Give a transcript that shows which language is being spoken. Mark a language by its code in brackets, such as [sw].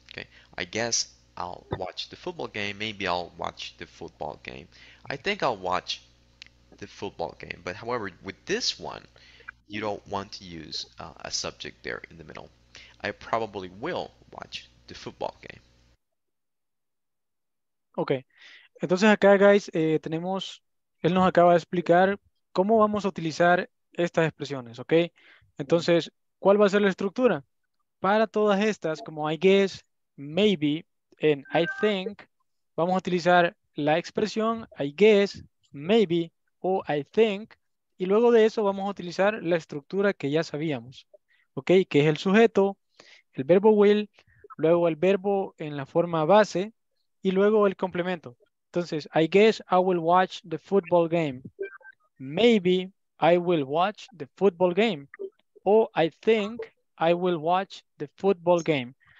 [en] Okay, I guess I'll watch the football game. Maybe I'll watch the football game. I think I'll watch the football game. But however, with this one, you don't want to use a subject there in the middle. I probably will watch the football game. [es] Okay, entonces acá, guys, tenemos, él nos acaba de explicar cómo vamos a utilizar estas expresiones, okay? Entonces, ¿cuál va a ser la estructura? Para todas estas, como [en] I guess, maybe, and I think, [es] vamos a utilizar la expresión I guess, maybe, o I think, y luego de eso vamos a utilizar la estructura que ya sabíamos, okay? Que es el sujeto, el verbo will, luego el verbo en la forma base, y luego el complemento. [en] Entonces, I guess I will watch the football game. Maybe I will watch the football game. Or I think I will watch the football game.